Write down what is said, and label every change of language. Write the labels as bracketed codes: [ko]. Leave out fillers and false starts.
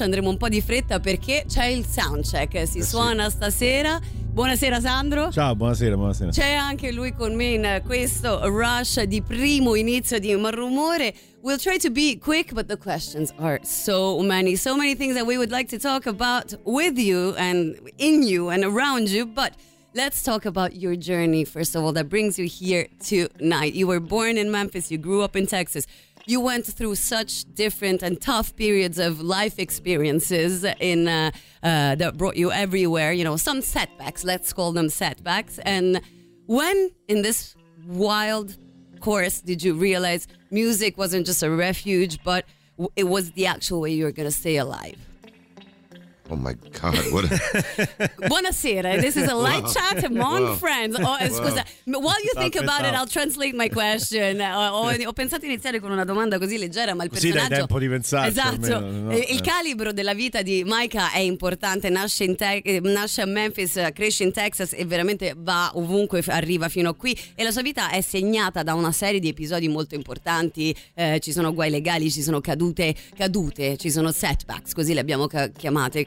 [it] Andremo un po' di fretta perché c'è il soundcheck. Si suona stasera. Buonasera Sandro. Ciao, buonasera, buonasera. C'è anche lui con me in questo rush di primo inizio di Marrumore. [en] We'll try to be quick, but the questions are so many. So many things that we would like to talk about with you and in you and around you. But let's talk about your journey, first of all, that brings you here tonight. You were born in Memphis, you grew up in Texas. You went through such different and tough periods of life experiences in that brought you everywhere, you know, some setbacks, let's call them setbacks. And when in this wild course did you realize music wasn't just a refuge, but it was the actual way you were going to stay alive? Oh my God, what a... Buonasera, this is a light chat among friends. Oh, scusa, while you think about it, I'll translate my question. [it] Ho pensato di iniziare con una domanda così leggera, ma il personaggio... Così dai tempo di pensarci. Esatto, almeno, no? Il calibro della vita di Micah è importante, nasce a Memphis, cresce in Texas e veramente va ovunque, arriva fino a qui. E la sua vita è segnata da una serie di episodi molto importanti, ci sono guai legali, ci sono cadute, ci sono setbacks, così le abbiamo chiamate.